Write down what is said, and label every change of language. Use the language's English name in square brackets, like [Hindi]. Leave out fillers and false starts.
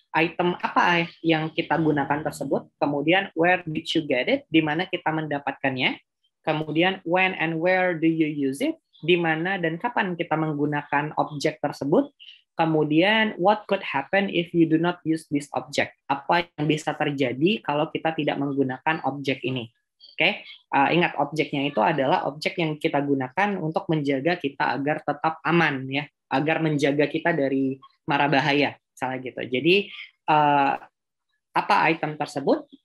[Indonesian] Item apa yang kita gunakan tersebut? Kemudian, [English] where did you get it? [Indonesian] Di mana kita mendapatkannya? [English] Kemudian, when and where do you use it? [Indonesian] Di mana dan kapan kita menggunakan objek tersebut? [English] Kemudian, what could happen if you do not use this object? [Indonesian] Apa yang bisa terjadi kalau kita tidak menggunakan objek ini? Oke, okay? Ingat objeknya itu adalah objek yang kita gunakan untuk menjaga kita agar tetap aman, ya, agar menjaga kita dari mara bahaya, salah gitu. Jadi, apa item tersebut?